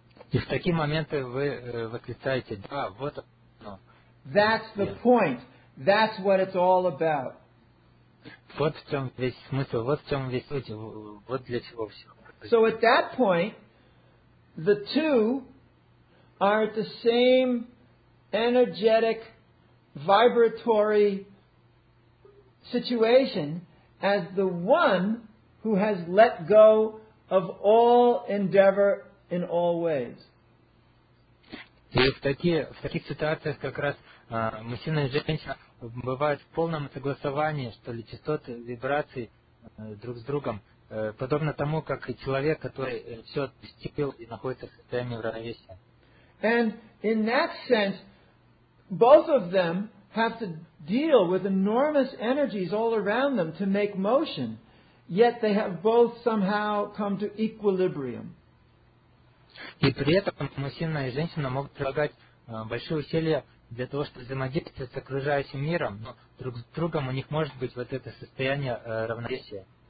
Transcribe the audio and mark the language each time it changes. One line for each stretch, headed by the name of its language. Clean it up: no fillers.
Russian: И в такие моменты вы восклицаете, да, вот оно.
English: That's the point. That's what it's all about.
Russian: Вот в чем весь смысл, вот в чем весь суть, вот для чего все.
English: So at that point, the two are at the same energetic, vibratory situation as the one who has let go of all endeavor in all ways.
Russian: И в таких ситуациях как раз мужчина и женщина бывают в полном согласовании, что ли, частоты, вибраций друг с другом, подобно тому, как и человек, который все отпустил и находится в состоянии равновесия.
English: And in that sense, both of them have to deal with enormous energies all around them to make motion, yet they have both somehow come to equilibrium.
Russian: И при этом мужчина и женщина могут прилагать большие усилия для того, чтобы взаимодействовать с окружающим миром, но друг с другом у них может быть вот это состояние равновесия.